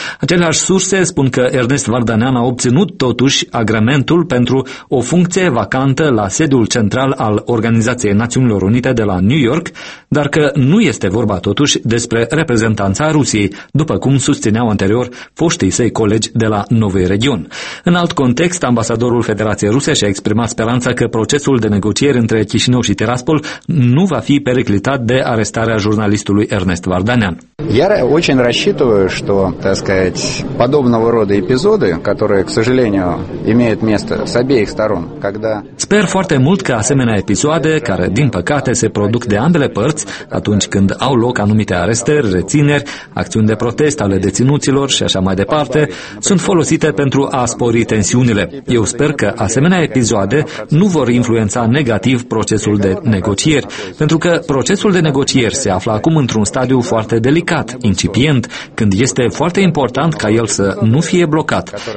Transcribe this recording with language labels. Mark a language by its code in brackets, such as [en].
[ro] Aceleași surse spun că Ernest Vardanian a obținut totuși agramentul pentru o funcție vacantă la sediul central al Organizației Națiunilor Unite de la New York, dar că nu este vorba totuși despre reprezentanța Rusiei, după cum susțineau anterior foștii săi colegi de la Novi Region. În alt context, ambasadorul Federației Ruse și-a exprimat speranța că procesul de negocieri între Chișinău și Tiraspol nu va fi periclitat de arestarea jurnalistului Ernest Vardanian. [ru] Я очень рассчитываю, что, так сказать, подобного рода эпизоды, которые, к сожалению, имеют место с обеих сторон, когда... [ro] Sper foarte mult că asemenea episoade, care, din păcate, se produc de ambele părți, atunci când au loc anumite arestări, rețineri, acțiuni de protest ale deținuților și așa mai departe, sunt folosite pentru a spori tensiunile. Eu sper că asemenea episoade nu vor influența negativ procesul de negocieri, pentru că procesul de negocieri se află acum într-un stadiu foarte delicat, incipient, când este foarte important ca el să nu fie blocat.